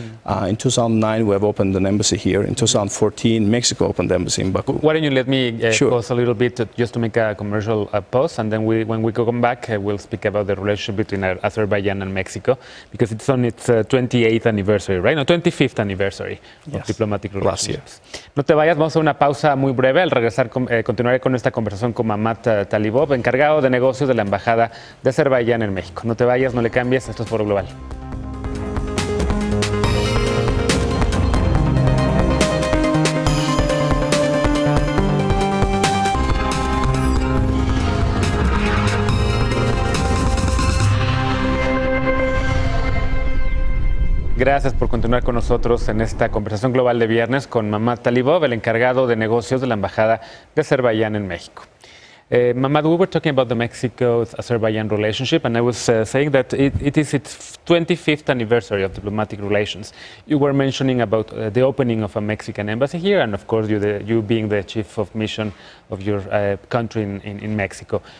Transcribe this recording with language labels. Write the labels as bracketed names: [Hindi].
[English] Mm. In 2009, we have opened an embassy here. In 2014, Mexico opened the embassy in Baku. Why don't you let me pause a little bit just to make a commercial pause, and then when we come back, we'll speak about the relationship between Azerbaijan and Mexico, because it's on its 28th anniversary, right? No, 25th anniversary of diplomatic relations. Last year. [Spanish] No te vayas, vamos a una pausa muy breve. Al regresar, continuaré con esta conversación con Mamá Matt Talibov, encargado de negocios de la Embajada de Azerbaiyán en México. No te vayas, no le cambies, esto es Foro Global. Gracias por continuar con nosotros en esta conversación global de viernes con Mamat Talibov, el encargado de negocios de la Embajada de Azerbaiyán en México. [English] Mamad, we were talking about the Mexico-Azerbaijan relationship, and I was saying that it is its 25th anniversary of diplomatic relations. You were mentioning about the opening of a Mexican embassy here, and of course you being the chief of mission of your country in Mexico.